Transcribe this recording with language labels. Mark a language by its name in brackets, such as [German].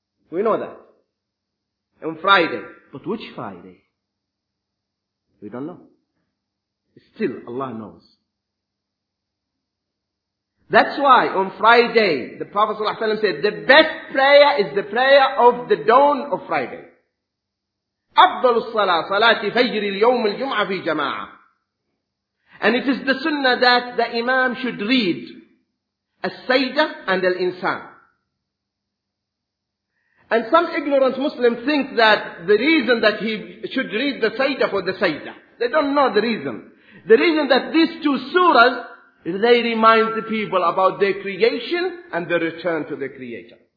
[English] We know that. On Friday. But which Friday? We don't know. Still, Allah knows. That's why on Friday, the Prophet ﷺ said, the best prayer is the prayer of the dawn of Friday. [Arabic] أفضل الصلاة صلاة فجر اليوم الجمعة في جماعة. [English] And it is the sunnah that the imam should read As-Sayda and Al-Insan. And some ignorant Muslims think that the reason that he should read the Sayda for the Sayda. They don't know the reason. The reason that these two surahs, they remind the people about their creation and the return to the Creator.